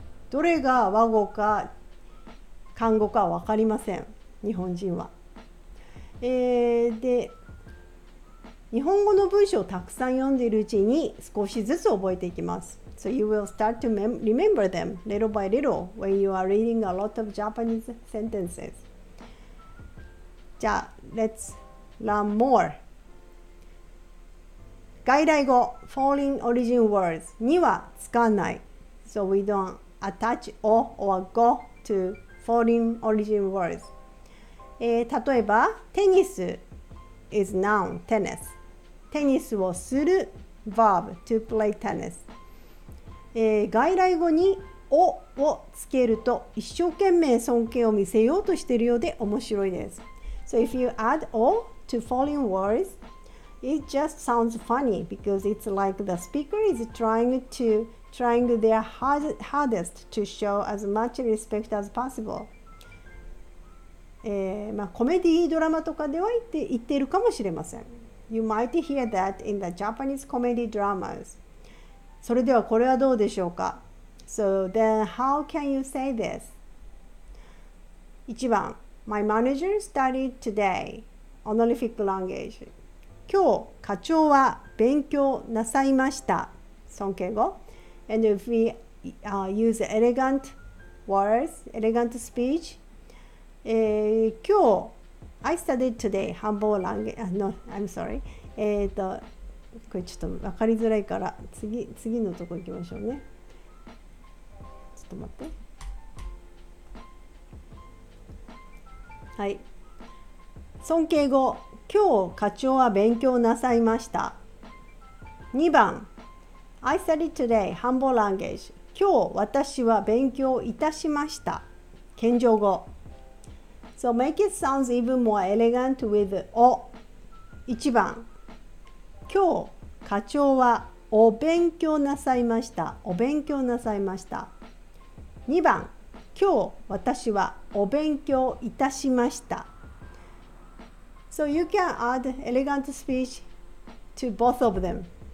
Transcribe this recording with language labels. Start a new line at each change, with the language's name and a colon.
Japanese: どれが和語か漢語かわかりません、日本人は。で、日本語の文章をたくさん読んでいるうちに少しずつ覚えていきます。
English: So you will start to remember them little by little when you are reading a lot of Japanese sentences. じゃあ、let's learn more.
Japanese: 外来語
English: foreign origin words
Japanese: には使わない。
English: So we don't attach o or go to foreign origin words.
Japanese: 例えば、テニス
English: is noun, tennis.
Japanese: テニスをする
English: verb to play tennis.
Japanese: 外来語に「お」をつけると一生懸命尊敬を見せようとしているようで面白いです。
English: So if you add「お」to foreign words, it just sounds funny because it's like the speaker is trying their hardest to show as much respect as possible.
Japanese: コメディドラマとかでは言っているかもしれません。
English: You might hear that in the Japanese comedy dramas.
Japanese: それではこれはどうでしょうか?
English: So then how can you say this? 1番 My manager studied today honorific language.
Japanese: 今日課長は勉強なさいました。尊敬語。
English: And if we use elegant words, elegant speech, 今日 I studied today humble language, no, I'm sorry.
Japanese: これちょっと分かりづらいから次のとこ行きましょうね。ちょっと待って。はい。尊敬語。今日課長は勉強なさいました。 2番。
English: I studied today humble language.
Japanese: 今日私は勉強いたしました。謙譲語。
English: So make it sounds even more elegant with お。
Japanese: 1番。今日課長はお勉強なさいました。お勉強なさいました。2番、今日私はお勉強いたしました。
English: So you can add elegant speech to both of them.